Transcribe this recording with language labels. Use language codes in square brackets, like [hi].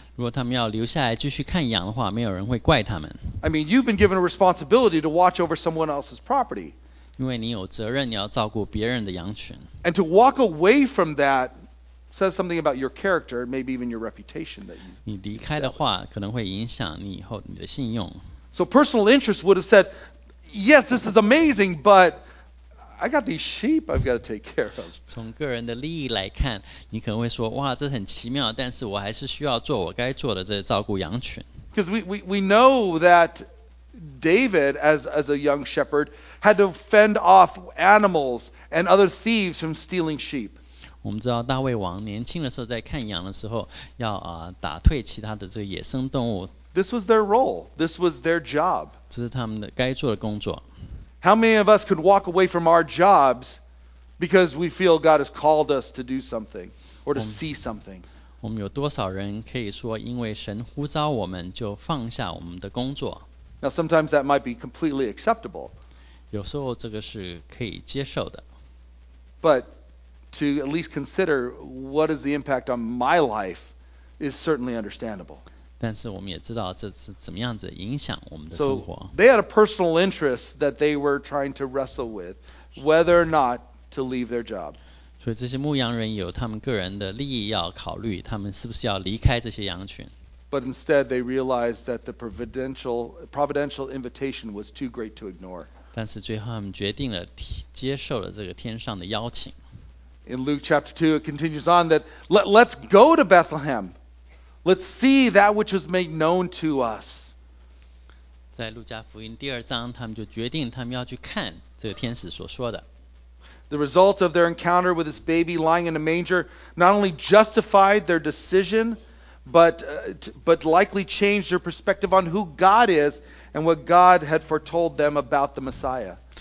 [zh] 如果他们要留下来继续看羊的话，没有人会怪他们。 [en] I mean, you've been given a responsibility to watch over someone else's property. [zh] 因为你有责任要照顾别人的羊群。 [en] And to walk away from that says something about your character, maybe even your reputation. That you [zh] 你离开的话，可能会影响你以后你的信用。 [en] So personal interest would have said, yes, this is amazing, but... I got these sheep I've got to take care of. [zh] 从个人的利益来看，你可能会说，哇，这很奇妙，但是我还是需要做我该做的，这照顾羊群。 [en] Because we know that David, as a young shepherd, had to fend off animals and other thieves from stealing sheep. [zh] 我们知道大卫王年轻的时候在看羊的时候，要打退其他的这个野生动物。 [en] This was their role. This was their job. [zh] 这是他们的该做的工作。 [en] How many of us could walk away from our jobs because we feel God has called us to do something or to see something? [zh] 我们有多少人可以说因为神呼召我们就放下我们的工作？ [en] Now sometimes that might be completely acceptable. [zh] 有时候这个是可以接受的。 [en] But to at least consider what is the impact on my life is certainly understandable. [zh] 但是我们也知道这是怎么样子影响我们的生活。 [en] So, they had a personal interest that they were trying to wrestle with, whether or not to leave their job. [zh] 所以这些牧羊人有他们个人的利益要考虑，他们是不是要离开这些羊群。 [en] But instead, they realized that the providential invitation was too great to ignore. [zh] 但是最后他们决定了接受了这个天上的邀请。 [en] In Luke chapter 2, it continues on that let's go to Bethlehem. Let's see that which was made known to us. [zh] 在路加福音第二章，他们就决定他们要去看这个天使所说的。 [en] The result of their encounter with this baby lying in a manger not only justified their decision, but likely changed their perspective on who God is and what God had foretold them about the Messiah.